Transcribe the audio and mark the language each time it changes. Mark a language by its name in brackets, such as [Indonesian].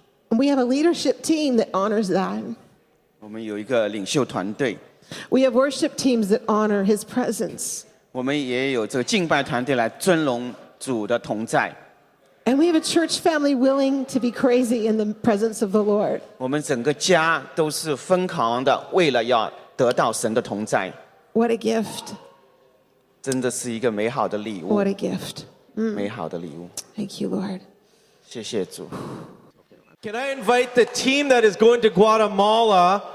[English] We have a leadership team that honors that. [Chinese] 我们有一个领袖团队。 [English] We have worship teams that honor his presence. [Chinese] 我们也有这个敬拜团队来尊荣主的同在。 [English] And we have a church family willing to be crazy in the presence of the Lord. [Chinese] 我们整个家都是疯狂的，为了要得到神的同在。 [English] What a gift! [Chinese] 真的是一个美好的礼物。 [English] What a gift! [Chinese] 美好的礼物。 [English] Thank you, Lord. [Chinese] 谢谢主。 [English] Can I invite the team that is going to Guatemala?